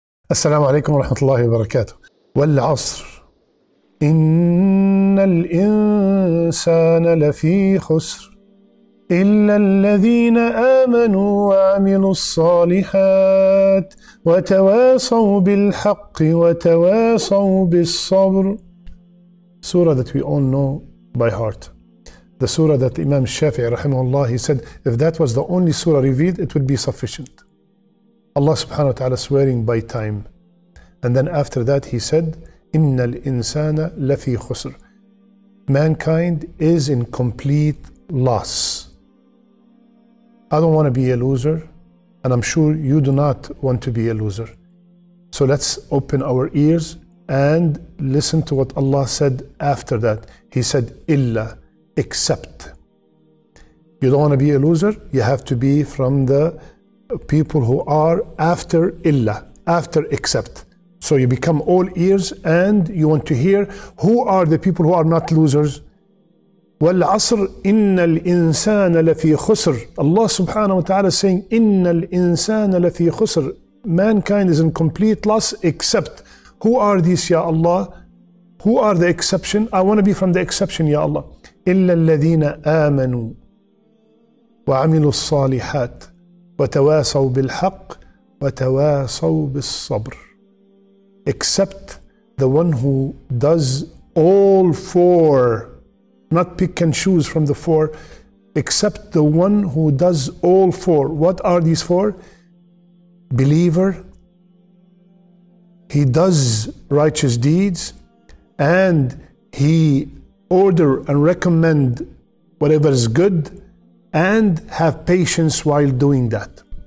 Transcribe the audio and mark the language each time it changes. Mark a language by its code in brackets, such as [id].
[ar] السلام عليكم ورحمة الله وبركاته والعصر إن الإنسان لفي خسر إلا الذين آمنوا وعملوا الصالحات وتواصوا بالحق وتواصوا بالصبر. [en] Surah that we all know by heart. The surah that Imam Shafi'i rahimahullah, he said, if that was the only surah revealed, it would be sufficient. Allah subhanahu wa ta'ala swearing by time. And then after that he said, [ar] إِنَّ الْإِنسَانَ لَفِي خُسْرٍ. [en] Mankind is in complete loss. I don't want to be a loser, and I'm sure you do not want to be a loser. So let's open our ears and listen to what Allah said after that. He said, إِلَّا, except. You don't want to be a loser, you have to be from the people who are after إِلَّا, after except. So you become all ears and you want to hear who are the people who are not losers. [ar] والعصر إن الإنسان لفي خسر. [en] Allah subhanahu wa ta'ala is saying [ar] إن الإنسان لفي خسر. [en] Mankind is in complete loss except. Who are these, Ya Allah? Who are the exception? I want to be from the exception, Ya Allah. [ar] إلا الذين آمنوا وعملوا الصالحات وتواصوا بالحق وتواصوا بالصبر. [en] Except the one who does all four, not pick and choose from the four, except the one who does all four. What are these four? Believer, he does righteous deeds, and he order and recommend whatever is good, and have patience while doing that.